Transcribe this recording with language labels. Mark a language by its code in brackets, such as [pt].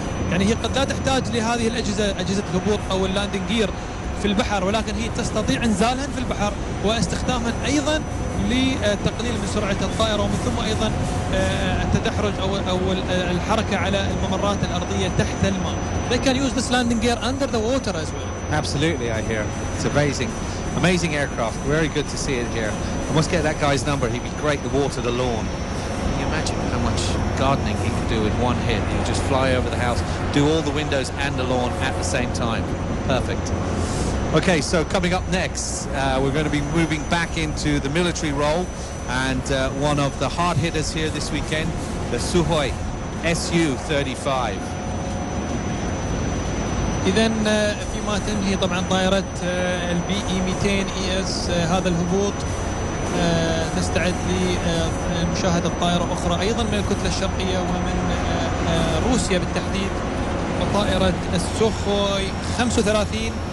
[ar] يعني هي قد لا تحتاج لهذه الأجهزة، أجهزة الهبوط أو اللاندنج جير في البحر، ولكن هي تستطيع إنزالها في البحر واستخدامها أيضا لتقليل من سرعة الطائرة، ومن ثم أيضا التدحرج أو الحركة على الممرات الأرضية تحت الماء. [en] They can use this landing gear under the water as well. Absolutely, I hear. It's amazing. Amazing aircraft. Very good to see it here. I must get that guy's number. He'd be great to water the lawn. Can you imagine how much gardening he could do in one hit? He could just fly over the house, do all the windows and the lawn at the same time. Perfect. Okay, so coming up next, we're going to be moving back into the military role, and one of the hard hitters here this weekend, the Suhoi Su-35. [ar] إذن في مارتن هي طبعا طائرة البي إي 200 إي إس هذا الهبوط نستعد لمشاهدة طائرة أخرى أيضا من الكتلة الشرقية ومن روسيا بالتحديد طائرة السوخوي 35